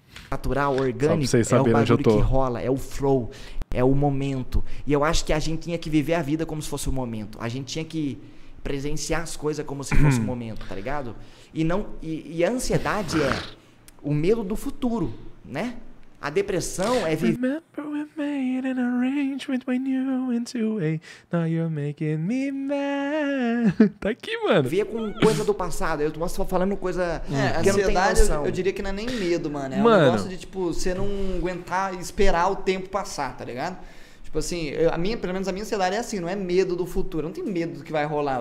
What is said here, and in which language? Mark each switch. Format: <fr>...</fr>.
<pt>Natural, orgânico, é o bagulho que rola. É o flow, é o momento. E eu acho que a gente tinha que viver a vida como se fosse o momento. A gente tinha que presenciar as coisas como se fosse o momento, tá ligado? E, não, e a ansiedade é o medo do futuro, né? A depressão é viver...</pt> <en>Remember we made an arrangement when you went away. Now you're making me mad.</en> <pt>Tá aqui, mano. Via com coisa do passado. Eu tô só falando coisa que não tem noção. Ansiedade, eu diria que não é nem medo, mano. É mano. Um negócio de, tipo, você não aguentar esperar o tempo passar, tá ligado? Tipo assim, pelo menos a minha ansiedade é assim. Não é medo do futuro. Eu não tenho medo do que vai rolar.</pt>